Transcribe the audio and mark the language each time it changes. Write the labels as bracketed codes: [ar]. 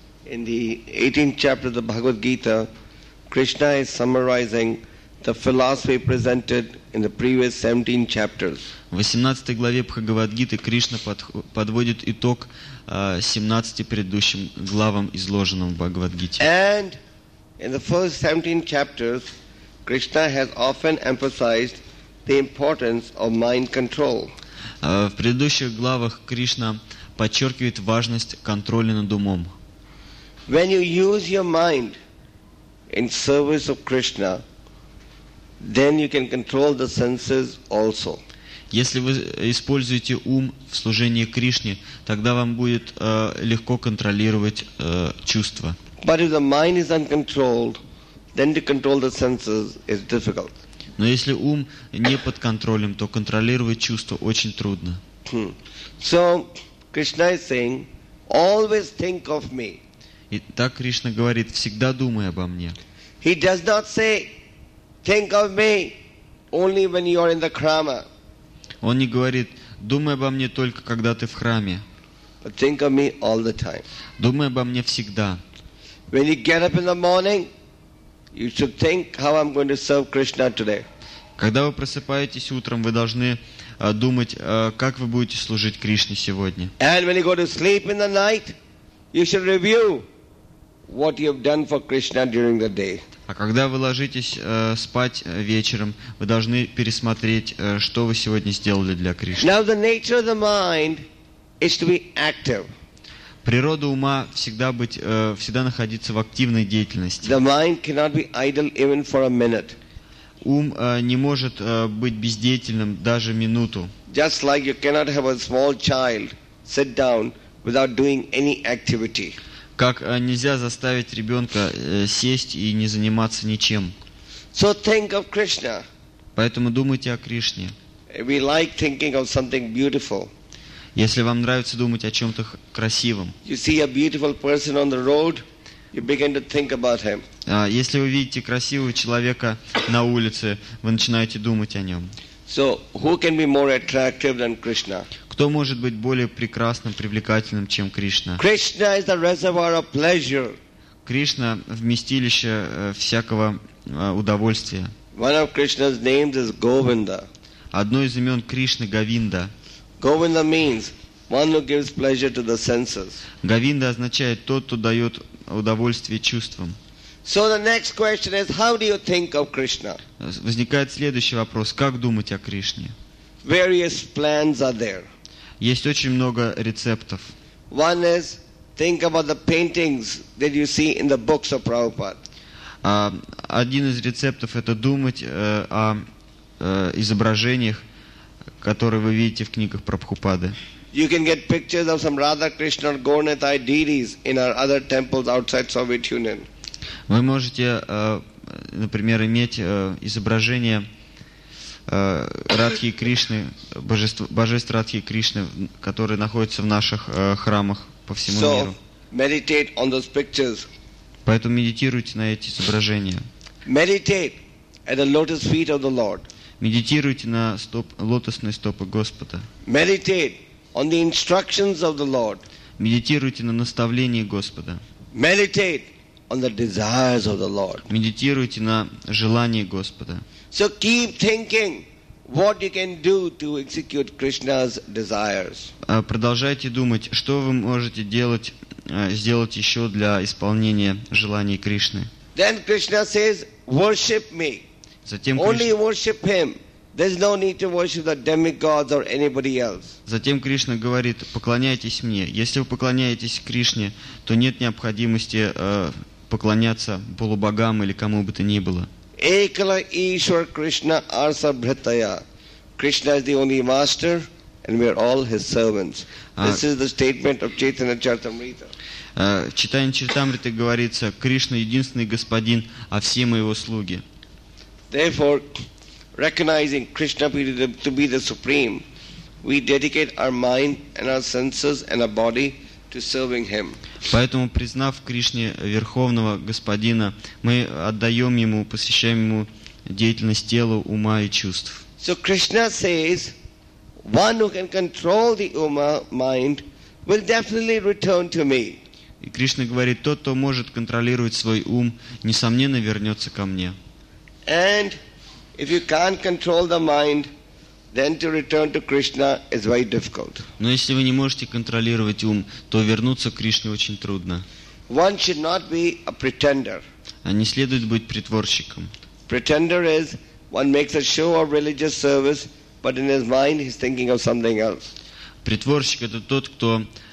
[en] In the 18th chapter of the Bhagavad Gita, Krishna is summarizing the philosophy presented in the previous 17 chapters. [ru] В 18 главе Бхагавад Гиты Кришна подводит итог 17 предыдущим главам, изложенным в Бхагавад Гите. [en] And in the first 17 chapters, Krishna has often emphasized the importance of mind control. [ru] В предыдущих главах Кришна подчеркивает важность контроля над умом. [en] When you use your mind, in service of Krishna, then you can control the senses also. [ru] Если вы используете ум в служении Кришне, тогда вам будет легко контролировать чувства. [en] But if the mind is uncontrolled, then to control the senses is difficult. [ru] Но если ум не под контролем, то контролировать чувства очень трудно. [en] So Krishna is saying, always think of me. [ru] И так Кришна говорит, всегда думай обо мне. [en] He does not say, think of me only when you are in the krama. [ru] Он не говорит, думай обо мне только когда ты в храме. [en] But think of me all the time. [ru] Думай обо мне всегда. [en] When you get up in the morning, you should think how I'm going to serve Krishna today. [ru] Когда вы просыпаетесь утром, вы должны думать, как вы будете служить Кришне сегодня. [en] And when you go to sleep in the night, you should review what you've done for Krishna during the day. [ru] А когда вы ложитесь спать вечером, вы должны пересмотреть, что вы сегодня сделали для Кришны. [en] Now the nature of the mind is to be active. [ru] Природа ума всегда быть, всегда находиться в активной деятельности. [en] The mind cannot be idle even for a minute. [ru] Ум не может быть бездеятельным даже минуту. [en] Just like you cannot have a small child sit down without doing any activity. [ru] Как нельзя заставить ребенка сесть и не заниматься ничем. [en] So think of Krishna. [ru] Поэтому думайте о Кришне. [en] We like thinking of something beautiful. [ru] Если вам нравится думать о чем-то красивом. [en] You see a beautiful person on the road, you begin to think about him. [ru] Если вы видите красивого человека на улице, вы начинаете думать о нем. [en] So who can be more attractive than Krishna? [ru] Кто может быть более прекрасным, привлекательным, чем Кришна? [en] Krishna is the reservoir of pleasure. [ru] Кришна – вместилище всякого удовольствия. [en] One of Krishna's names is Govinda. [ru] Одно из имен Кришны – Говинда. [en] Govinda means one who gives pleasure to the senses. [ru] Говинда означает тот, кто дает удовольствие чувствам. [en] So the next question is, how do you think of Krishna? [ru] Возникает следующий вопрос: как думать о Кришне? [en] Various plans are there. [ru] Есть очень много рецептов. [en] One is think about the paintings that you see in the books of Prabhupada. [ru] Один из рецептов это думать о изображениях, которые вы видите в книгах Прабхупады. [en] You can get pictures of some Radha Krishna or Gornetai deities in our other temples outside Soviet Union. [ru] Вы можете, например, иметь изображение Радхи Кришны, божеств Радхи Кришны, которые находятся в наших храмах по всему [en] so, [ru] миру. [en] Meditate on those pictures. [ru] Поэтому медитируйте на эти изображения. [en] Meditate at the lotus feet of the Lord. [ru] Медитируйте на лотосные стопы Господа. [en] Meditate on the instructions of the Lord. [ru] Медитируйте на наставлении Господа. [en] Meditate on the desires of the Lord. [ru] Медитируйте на желании Господа. [en] So keep thinking what you can do to execute Krishna's desires. [ru] Продолжайте думать, что вы можете сделать еще для исполнения желаний Кришны. [en] Then Krishna says, worship me. [ru] Затем [en] only worship him. There's no need to worship the demigods or anybody else. [ru] Затем Кришна говорит, поклоняйтесь мне. Если вы поклоняетесь Кришне, то нет необходимости поклоняться полубогам или кому бы то ни было. [bn] Ekala Ishwar Krishna Arsa Bhrataya. [en] Krishna is the only master and we are all his servants. This is the statement of Chaitanya Charitamrita. [ru] В Чайтанья Чаритамрите говорится, Кришна единственный господин, а все мы его слуги. [en] Therefore, recognizing Krishna to be the supreme, we dedicate our mind and our senses and our body to serving him. [ru] Поэтому, признав Кришне верховного господина, мы отдаем ему, посвящаем ему деятельность тела, ума и чувств. [en] So Krishna says, one who can control the uma mind will definitely return to me. [ru] И Кришна говорит, тот, кто может контролировать свой ум, несомненно вернется ко мне. [en] And if you can't control the mind, then to return to Krishna is very difficult. [ru] Но если вы не можете контролировать ум, то вернуться к Кришне очень трудно. [en] One should not be a pretender. [ru] А не следует быть притворщиком. [en] Pretender is one makes a show of religious service, but in his mind he's thinking of something else. [ru] Притворщик это тот, кто